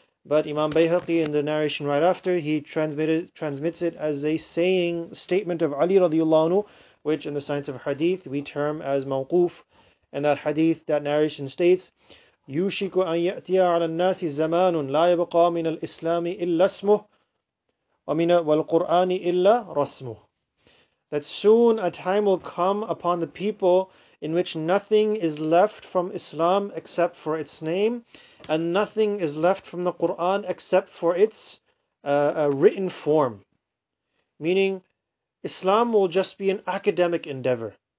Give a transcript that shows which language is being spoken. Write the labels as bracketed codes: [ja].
[en] But Imam Bayhaqi, in the narration right after, he transmits it as a saying, statement of Ali radiallahu anhu, which in the science of hadith we term as mawquf. And that hadith, that narration states, [ar] يوشك أن يأتي على الناس زمان لا يبقى من الإسلام إلا اسمه ومن والقرآن إلا رسمه. [en] That soon a time will come upon the people in which nothing is left from Islam except for its name, and nothing is left from the Quran except for its written form. Meaning, Islam will just be an academic endeavor.